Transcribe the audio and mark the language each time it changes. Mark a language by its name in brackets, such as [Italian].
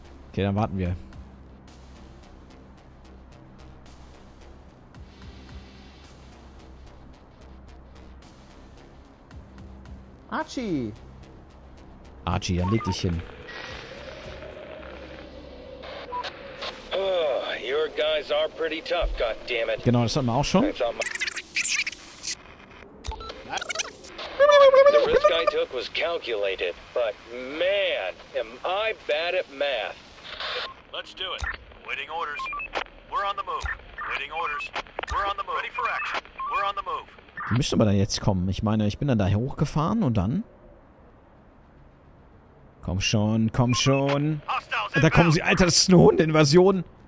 [German] Okay, dann warten wir. Archie! Archie, dann leg dich hin. [English] Oh, your guys are pretty tough, goddammit. [German] Genau, das hatten wir auch schon. [English] The risk I took was calculated, but man, am I bad at math. Let's do it. Waiting orders. We're on the move. Waiting orders. We're on the move. Ready for action. We're on the move. [German] Wie müssen wir denn jetzt kommen? Ich meine, ich bin dann da hochgefahren und dann? Komm schon, komm schon. Da kommen sie, Alter, das ist eine Hundeinvasion.